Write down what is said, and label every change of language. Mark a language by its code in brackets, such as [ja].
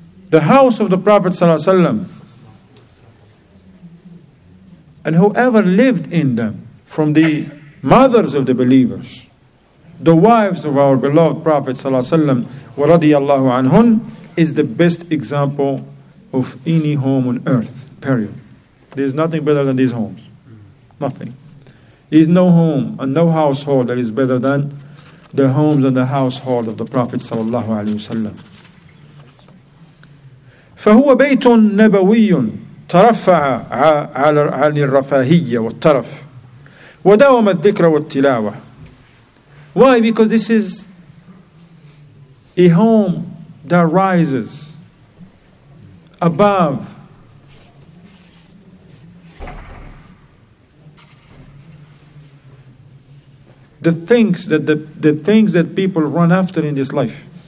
[en] The house of the Prophet ﷺ and whoever lived in them, from the mothers of the believers, the wives of our beloved Prophet ﷺ, وَرَضِيَ anhun, is the best example of any home on earth, period. There is nothing better than these homes. Nothing. There is no home and no household that is better than the homes and the household of the Prophet ﷺ. [ar] فهو بيت نبوي ترفع عن الرفاهية والترف وداوم الذكر والتلاوة. [en] Why? Because this is a home that rises above the things that people run after in this life.